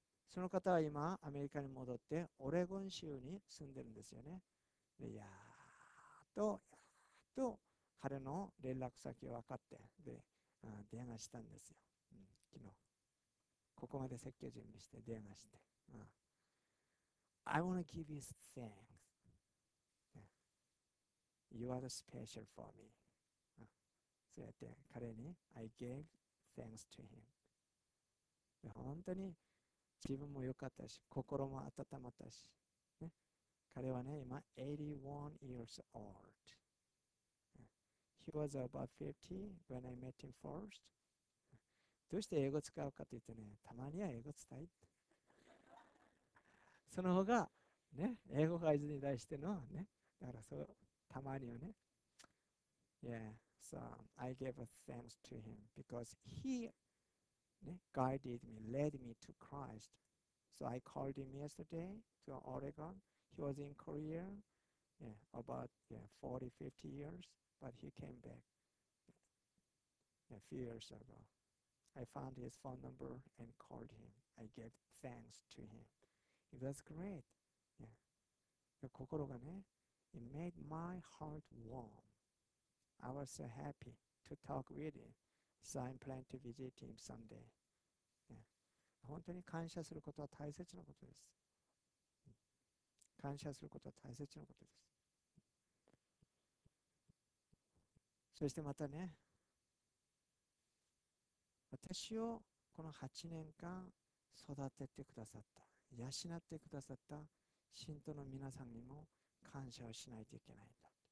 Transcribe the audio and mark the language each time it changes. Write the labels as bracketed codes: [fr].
[ja] その方は今、アメリカに戻って、オレゴン州に住んでるんですよね。で、やっと彼の連絡先を分かって、で、電話したんですよ、昨日。ここまで説教準備して、電話して。 [en] I want to give you thanks. You are special for me. [ja] そうやって彼に [en] I gave thanks to him. [ja] 本当に自分も良かったし、心も温まったし、彼はね、今 [en] 81 years old. He was about 50 when I met him first. [ja] どうして英語使うかというとね、たまには英語伝え。その方が、ね、英語が相手に対してのね、だからそう、たまにはね。 [en] Yeah, so I gave thanks to him because he ね、guided me, led me to Christ. So I called him yesterday to Oregon. He was in Korea, about 40, 50 years, but he came back a few years ago. I found his phone number and called him. I gave thanks to him. It was great. [ja] 心がね、 [en] It made my heart warm. I was so happy to talk with him, so I plan to visit him someday. [ja] 本当に感謝することは大切なことです。感謝することは大切なことです。そしてまたね、私をこの8年間育ててくださった、養ってくださった信徒の皆さんにも感謝をしないといけないんだ。